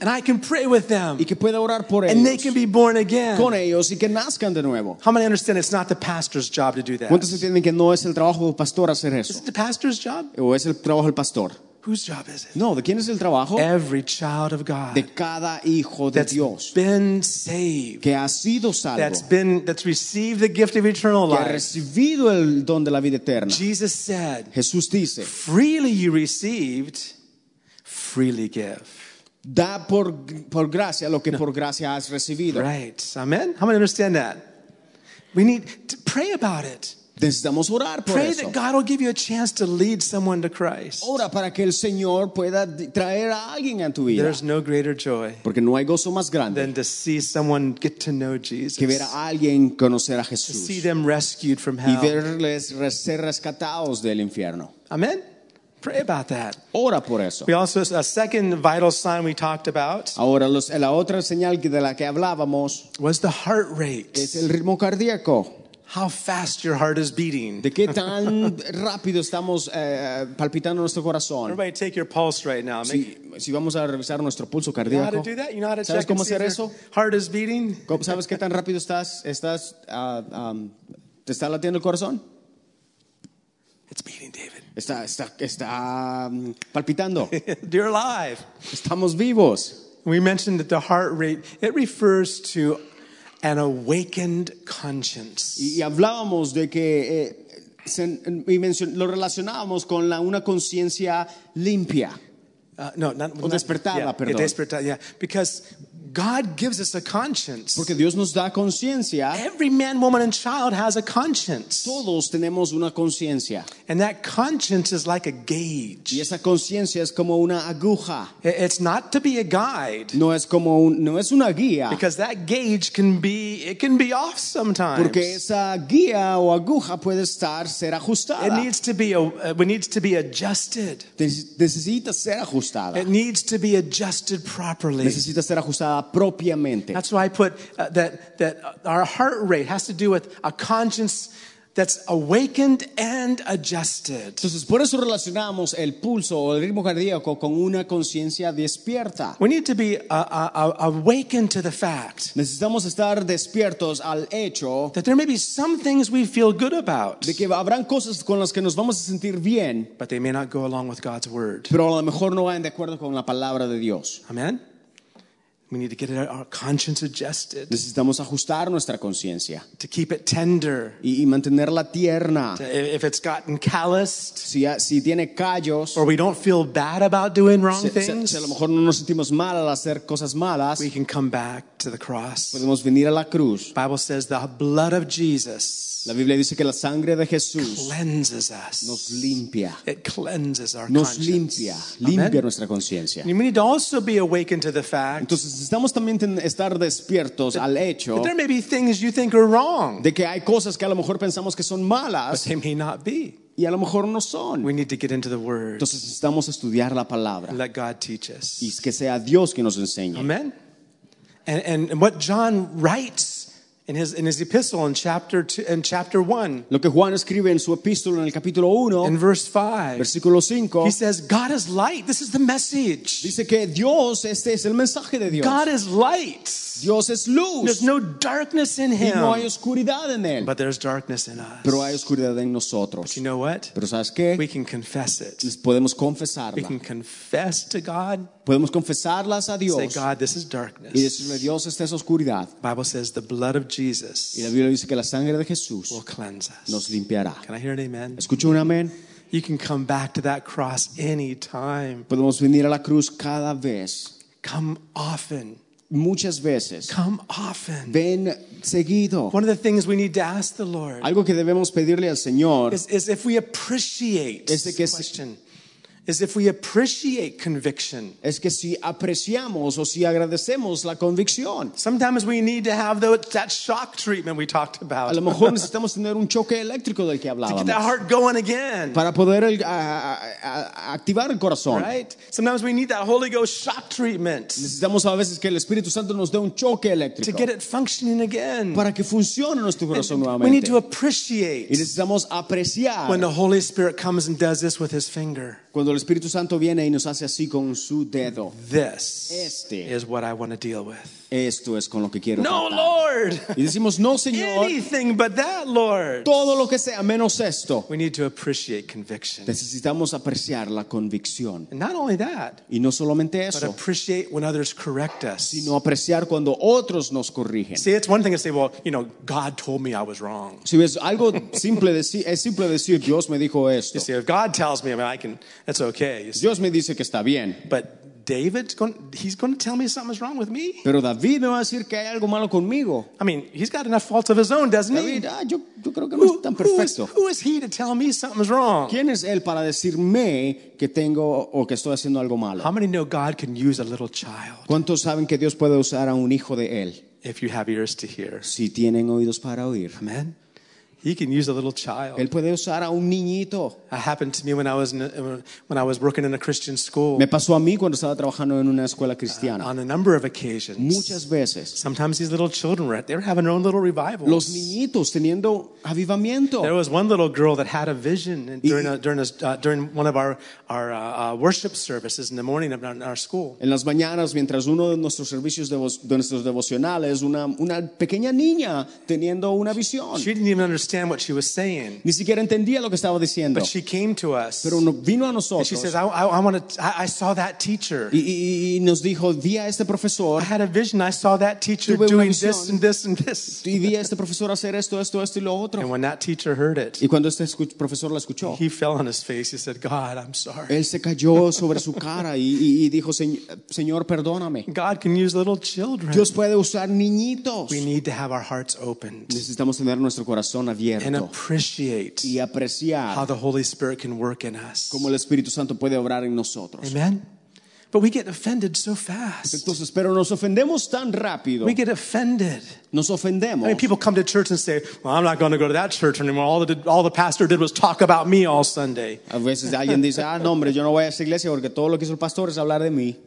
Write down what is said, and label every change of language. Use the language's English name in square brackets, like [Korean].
[English] And I can pray with them. [Spanish] Y que pueda orar por ellos. [English] And they can be born again. [Spanish] Con ellos y que nazcan de nuevo. [English] How many understand it's not the pastor's job to do that? [Spanish] ¿Cuántos entienden que no es el trabajo del pastor hacer? [English] Is it the pastor's job? [Spanish] ¿O es el trabajo del pastor? [English] Whose job is it? [Spanish] No, ¿de quién es el trabajo? [English] Every child of God. [Spanish] De cada hijo de Dios. [English] That's been saved. [Spanish] Que ha sido salvo. [English] That's received the gift of eternal life. [Spanish] Que ha recibido el don de la vida eterna. [English] Jesus said. [Spanish] Jesús dice. [English] Freely you received, freely give. [Spanish] Da por gracia lo que por gracia has recibido. [English] Right. Amen. How many understand that? We need to pray about it. [Spanish] Necesitamos orar por [English] pray [Spanish] eso. [English] That God will give you a chance to lead someone to Christ. [Spanish] Ora para que el Señor pueda traer a alguien a tu vida. [English] There's no greater joy. [Spanish] Porque no hay gozo más grande. [English] Than to see someone get to know Jesus. [Spanish] Que ver a alguien conocer a Jesús. [English] To see them rescued from hell. [Spanish] Y verles ser rescatados del infierno. [English] Amen. Pray about that. [Spanish] Ora por eso. [English] We also a second vital sign we talked about. [Spanish] Ahora la otra señal de la que hablábamos. [English] Was the heart rate. [Spanish] Es el ritmo cardíaco. [English] How fast your heart is beating. [Spanish] ¿De qué tan rápido estamos palpitando nuestro corazón? [English] Everybody take your pulse right now. [Spanish] Si vamos a revisar nuestro pulso cardíaco. [English] You know how to do that? You know how to [Spanish] ¿sabes [English] check [Spanish] cómo hacer eso? [English] Heart is beating. [Spanish] ¿Sabes qué tan rápido te está latiendo el corazón? [English] It's beating, David. [Spanish] Está palpitando. [English] You're alive. [Spanish] Estamos vivos. [English] We mentioned that the heart rate, it refers to an awakened conscience. [Spanish] Y hablábamos de que lo relacionábamos con una conciencia limpia. Despertada, [English] yeah. Because God gives us a conscience. [Spanish] Porque Dios nos da conciencia. [English] Every man, woman, and child has a conscience. [Spanish] Todos tenemos una conciencia. [English] And that conscience is like a gauge. [Spanish] Y esa conciencia es como una aguja. [English] It's not to be a guide. [Spanish] No es como no es una guía. [English] Because that gauge can be off sometimes. [Spanish] Porque esa guía o aguja puede estar ser ajustada. [English] It needs to be adjusted. [Spanish] Necesita ser ajustada. [English] It needs to be adjusted properly. [Spanish] Necesita ser ajustada. Propiamente. [English] That's why I put that our heart rate has to do with a conscience that's awakened and adjusted. [Spanish] Entonces, por eso relacionamos el pulso o el ritmo cardíaco con una conciencia despierta. [English] We need to be awakened to the fact. [Spanish] Necesitamos estar despiertos al hecho [English] that there may be some things we feel good about. [Spanish] De que habrán cosas con las que nos vamos a sentir bien. [English] But they may not go along with God's word. [Spanish] Pero a lo mejor no van de acuerdo con la palabra de Dios. [English] Amen. We need to get our conscience adjusted. [Spanish] Necesitamos ajustar nuestra conciencia. [English] To keep it tender. [Spanish] Y mantenerla tierna. [English] If it's gotten calloused. [Spanish] Si tiene callos. [English] Or we don't feel bad about doing wrong things. [Spanish] Si a lo mejor no nos sentimos mal al hacer cosas malas. [English] We can come back to the cross. [Spanish] Podemos venir a la cruz. [English] The Bible says the blood of Jesus. [Spanish] La Biblia dice que la sangre de Jesús [English] cleanses us. [Spanish] Nos limpia. [English] It cleanses our [Spanish] nos [English] conscience. [Spanish] Limpia. Limpia. Amen. Nuestra conciencia. [English] We need to also be awakened to the fact. [Spanish] Entonces, necesitamos también estar despiertos al hecho [English] there may be things you think are wrong, [Spanish] de que hay cosas que a lo mejor pensamos que son malas [English] but they may not be. [Spanish] Y a lo mejor no son. [English] We need to get into the word. [Spanish] Entonces necesitamos estudiar la palabra. [English] Let God teach us. [Spanish] Y que sea Dios quien nos enseñe. [English] Amen. And what John writes in his epistle in chapter 2 and chapter 1. [Spanish] Lo que Juan escribe en su epístola en el capítulo 1. [English] In verse 5. [Spanish] Versículo 5. [English] He says God is light. This is the message. [Spanish] Dice que Dios, este es el mensaje de Dios. [English] God is light. [Spanish] Dios es luz. [English] There's no darkness in him. [Spanish] Y no hay oscuridad en él. [English] But there's darkness in us. [Spanish] Pero hay oscuridad en nosotros. [English] But you know what? [Spanish] Pero ¿sabes qué? [English] We can confess it. [Spanish] Podemos confesarla. [English] We can confess to God. [Spanish] Podemos confesarlas a Dios. [English] Say, God, this is darkness. [Spanish] Y decirle, Dios, esta es oscuridad. [English] Bible says the blood of Jesus. [Spanish] Y la Biblia dice que la sangre de Jesús [English] will cleanse us. [Spanish] Nos limpiará. [English] Can I hear an amen? [Spanish] ¿Escucho un amén? [English] You can come back to that cross anytime. [Spanish] Podemos venir a la cruz cada vez. [English] Come often. [Spanish] Muchas veces. [English] Come often. [Spanish] Ven seguido. [English] One of the things we need to ask the Lord. [Spanish] Algo que debemos pedirle al Señor. [English] Is if we appreciate. [Spanish] Es que si, [English] question. Is if we appreciate conviction. [Spanish] Es que si apreciamos o si agradecemos la convicción. [English] Sometimes we need to have that shock treatment we talked about. [Spanish] A lo mejor necesitamos tener un choque eléctrico del que hablábamos. [English] To get that heart going again. [Spanish] Para poder activar el corazón. [English] Right? Sometimes we need that Holy Ghost shock treatment. [Spanish] Necesitamos a veces que el Espíritu Santo nos dé un choque eléctrico. [English] To get it functioning again. [Spanish] Para que funcione nuestro corazón [English] and [Spanish] nuevamente. [English] We need to appreciate. [Spanish] Y necesitamos apreciar. [English] When the Holy Spirit comes and does this with his finger. [Spanish] Cuando el Espíritu Santo viene y nos hace así con su dedo. [English] This [Spanish] este [English] is what I want to deal with. [Spanish] Esto es con lo que quiero no, tratar. [English] Lord. [Spanish] Y decimos, no, Señor. [English] Anything but that, Lord. [Spanish] Todo lo que sea, menos esto. [English] We need to appreciate conviction. [Spanish] Necesitamos apreciar la convicción. [English] And not only that. [Spanish] Y no solamente eso. [English] But appreciate when others correct us. [Spanish] Sino apreciar cuando otros nos corrigen. [English] See, it's one thing to say, well, you know, God told me I was wrong. [Spanish] Si es algo simple decir, es simple decir, Dios me dijo esto. [English] You see, if God tells me, I mean, I can, that's okay. [Spanish] Dios me dice que está bien. [English] But David, he's going to tell me something's wrong with me. [Spanish] Pero David me va a decir que hay algo malo conmigo. [English] I mean, he's got enough faults of his own, doesn't [Spanish] David, [English] he? [Spanish] David, yo creo que no es tan perfecto. [English] Who is he to tell me something's wrong? [Spanish] ¿Quién es él para decirme que tengo o que estoy haciendo algo malo? [English] How many know God can use a little child? [Spanish] ¿Cuántos saben que Dios puede usar a un hijo de él? [English] If you have ears to hear. [Spanish] Si tienen oídos para oír. [English] Amen. He can use a little child. [Spanish] Él puede usar a un niñito. [English] It happened to me when I was working in a Christian school. [Spanish] Me pasó a mí cuando estaba trabajando en una escuela cristiana. [English] On a number of occasions. [Spanish] Muchas veces. [English] Sometimes these little children were having their own little revivals. [Spanish] Los niñitos teniendo avivamiento. [English] There was one little girl that had a vision during one of our worship services in the morning of our school. [Spanish] En las mañanas mientras uno de nuestros servicios de nuestros devocionales una pequeña niña teniendo una visión. [English] She didn't even understand what she was saying. [Spanish] Ni siquiera entendía lo que estaba diciendo. [English] But she came to us. [Spanish] Pero vino a nosotros. [English] And she says, I saw that teacher. [Spanish] Y nos dijo, vi a este profesor. [English] I had a vision. I saw that teacher doing this and this and this. [Spanish] Y vi a este profesor hacer esto, esto, esto y lo otro. [English] And when that teacher heard it, [Spanish] y cuando este profesor la escuchó, [English] he fell on his face. He said, God, I'm sorry. [Spanish] Él se cayó sobre su cara y dijo, Señor, perdóname. [English] God can use little children. [Spanish] Dios puede usar niñitos. [English] We need to have our hearts opened. [Spanish] Necesitamos tener nuestro corazón abierto. [English] And appreciate. [Spanish] Y apreciar. [English] How the Holy Spirit can work in us. [Spanish] Como el Espíritu Santo puede obrar en nosotros. [English] Amen. But we get offended so fast. [Spanish] Entonces, pero nos ofendemos tan rápido. [English] We get offended. [Spanish] Nos ofendemos. [English] I mean, people come to church and say, "Well, I'm not going to go to that church anymore. All the pastor did was talk about me all Sunday." [Spanish] A veces alguien dice, "Ah, no, hombre, yo no voy a esa iglesia porque todo lo que hizo el pastor es hablar de mí."